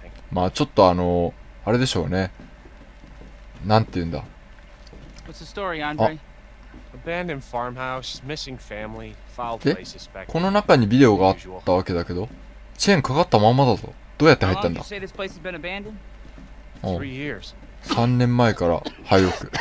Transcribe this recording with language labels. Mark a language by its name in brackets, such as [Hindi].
[Japanese] まあちょっとあれでしょうね。なんて言うんだ。 [English] What's the story, Andre? Abandoned farmhouse, missing family, foul play suspect. [Japanese] この中にビデオがあったわけだけど、チェーンかかったままだぞ。どうやって入ったんだ。 3年前から廃屋。